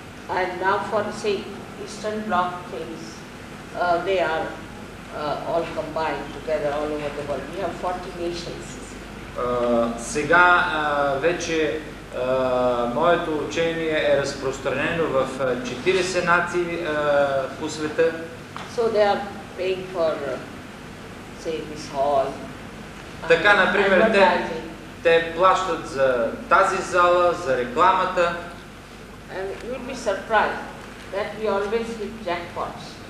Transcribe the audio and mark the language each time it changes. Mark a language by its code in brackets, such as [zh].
[en] And now for say Eastern Bloc things, they are all combined together all over the world. We have 40 nations. [bg] Сега вече моето учение е разпространено в 40 нации по света. [en] So they are paying for say this hall. [bg] Така например те плащат за тази зала, за рекламата. [en] And you would be surprised that we always hit jackpots.